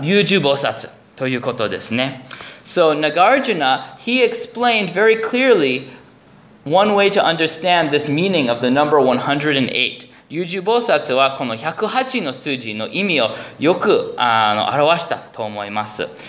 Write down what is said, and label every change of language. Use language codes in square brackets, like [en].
[ja] 内陣の中に巻物が軸がいくつかあるんですけど、一番左側ののは、七つの、七人の立派な僧侶なんですけど、その一番右上の方が龍樹菩薩ということですね。 [en] So Nagarjuna, he explained very clearly one way to understand this meaning of the number 108. [ja] 龍樹菩薩はこの108の数字の意味をよく表したと思います。